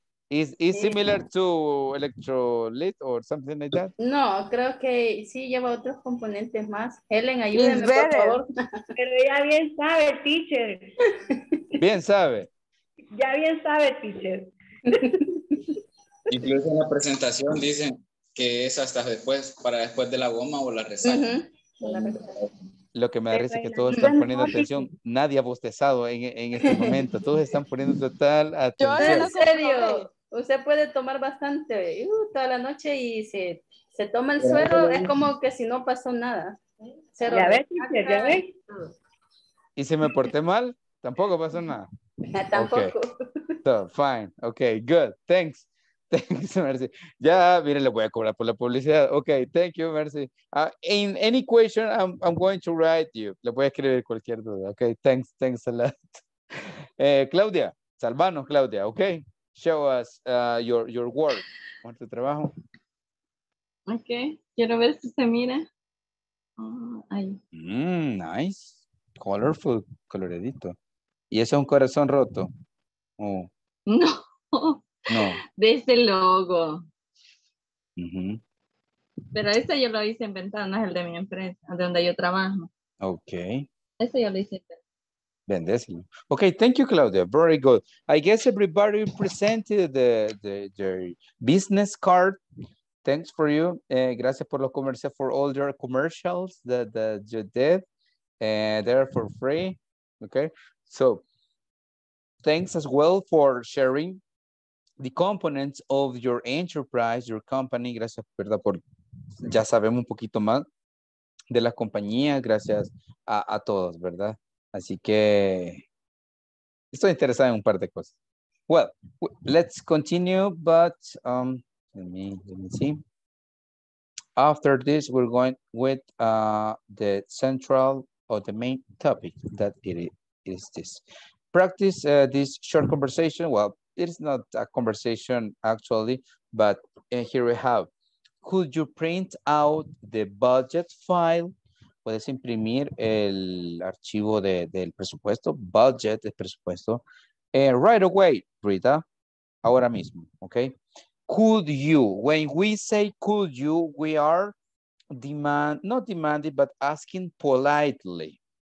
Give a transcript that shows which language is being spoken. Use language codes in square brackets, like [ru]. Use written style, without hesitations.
[en] Is similar to electrolyte or something like that? [es] No, creo que sí lleva otros componentes más. Helen, ayúdenme, por favor. Pero ya bien sabe, teacher. Bien sabe. Ya bien sabe, teacher. Incluso en la presentación dicen que es hasta después, para después de la goma o la resaca. Uh-huh. Lo que me da risa es que todos están poniendo atención. Nadie ha bostezado en este momento. Todos están poniendo total atención. Yo, en serio. Usted puede tomar bastante toda la noche y se toma el suero, es como que si no pasó nada. Cero. Ya ves, ya ves. Y si me porté mal, tampoco pasó nada. Tampoco. Okay. [en] So, fine. Okay, good. Thanks. Thanks, Mercy. [es] Ya, mire, le voy a cobrar por la publicidad. [en] Okay, thank you, Mercy. In any question, I'm going to write you. [es] Le voy a escribir cualquier duda. [en] Okay, thanks a lot. Claudia, [es] salvanos, [en] Claudia, okay? Show us your work. [es] ¿Cuánto trabajo? Okay, quiero ver si se mira. Ahí. [en] Nice. Colorful, coloredito. [es] ¿Y eso es un corazón roto? Oh. No. No. De ese logo. Uh-huh. Pero ese yo lo hice en ventanas, el de mi empresa, donde yo trabajo. Okay. Ese yo lo hice en ventanas. Bendecido. [en] Okay, thank you, Claudia. Very good. I guess everybody presented the business card. Thanks for you. [es] Gracias por los comerciales, [en] for all your commercials that you did. They're for free. Okay. So, thanks as well for sharing the components of your enterprise, your company. [es] Gracias, verdad, por ya sabemos un poquito más de la compañía. Gracias a todos, verdad. Así que estoy interesado en un par de cosas. [en] Well, let's continue, but let me see. After this, we're going with the central or the main topic that it is this. Practice this short conversation. Well, it is not a conversation actually, but here we have. Could you print out the budget file? [es] Puedes imprimir el archivo del presupuesto, budget de presupuesto, [en] right away, [es] Rita, ahora mismo, okay? [en] Could you, when we say could you, we are not demanding, but asking politely.